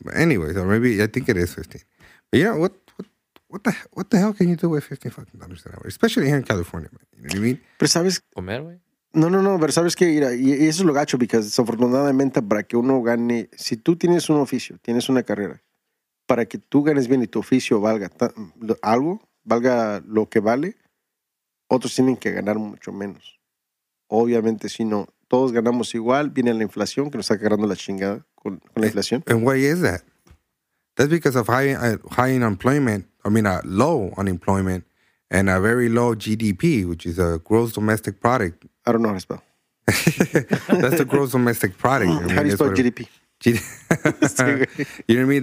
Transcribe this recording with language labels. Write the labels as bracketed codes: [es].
[en] But anyways, or maybe I think it is 15. But yeah, what the hell can you do with $15 an hour? Especially here in California, man. You know what I mean? [es] Pero sabes, comer, güey. No, pero sabes que, mira, y eso es lo gacho, porque desafortunadamente para que uno gane, si tú tienes un oficio, tienes una carrera, para que tú ganes bien y tu oficio valga algo, valga lo que vale, otros tienen que ganar mucho menos. Obviamente, si no, todos ganamos igual, viene la inflación, que nos está agarrando la chingada con la inflación. [en] And why is that? That's because of high unemployment, I mean, low unemployment, and a very low GDP, which is a gross domestic product. I don't know how to spell. That's the gross domestic product. I mean, how do you spell GDP? You know what I mean?